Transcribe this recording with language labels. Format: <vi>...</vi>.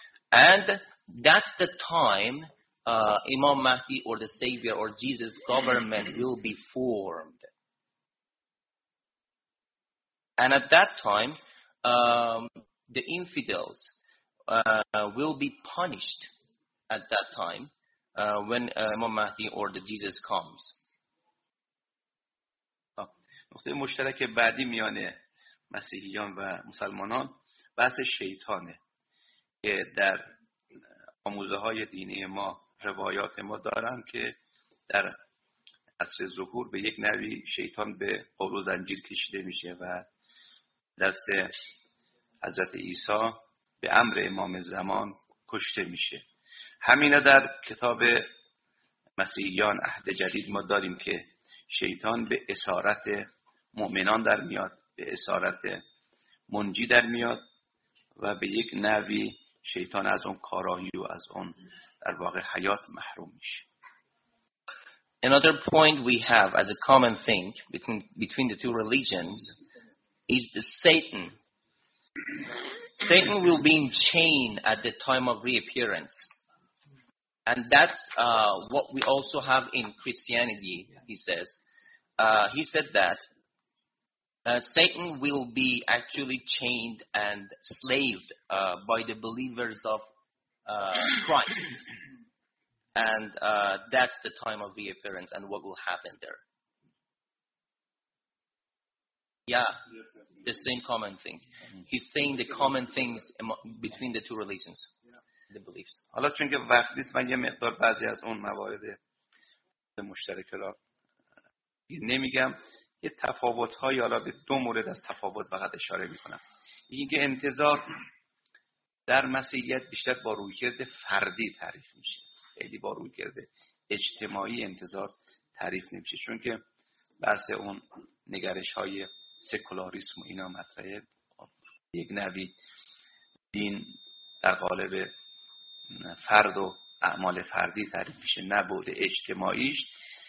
<en>And that's the time Imam Mahdi or the Savior or Jesus' government will be formed. And at that time, the infidels will be punished at that time when Imam Mahdi or the Jesus comes.</en> <fa>نقطه مشترک بعدی میان مسیحیان و مسلمانان بحث شیطانه که در آموزه‌های دینی ما روایات ما دارن که در عصر ظهور به یک نوی شیطان به قبر و زنجیر کشیده میشه و دست حضرت عیسی به امر امام زمان کشته میشه. همینا در کتاب مسیحیان عهد جدید ما داریم که شیطان به اسارت مؤمنان در میاد، به اسارت منجی در میاد و به یک نوی شیطان از اون کاراهی و از اون در واقع حیات محروم میشه.</fa> <en>Another point we have as a common thing between the two religions is the Satan. Satan will be in chain at the time of reappearance. And that's what we also have in Christianity, he says. He said that Satan will be actually chained and slaved by the believers of Christ. And that's the time of reappearance and what will happen there. Yeah, the same common thing. He's saying the common things between the two religions, the beliefs.</en> <fa>حالا چون که وقت نیست من یه مقدار بعضی از اون موارد مشترک را نمیگم، یه تفاوت‌های حالا به دو مورد از تفاوت فقط اشاره می‌کنم. اینکه انتظار در مسیحیت بیشتر با رویکرد فردی تعریف میشه، خیلی با رویکرد اجتماعی انتظار تعریف نمیشه، چون که بحث اون نگرش‌های سکولاریسم اینا مطرحه، یک نوی دین در قالب فرد و اعمال فردی تعریف میشه، نه بود اجتماعیش.</fa>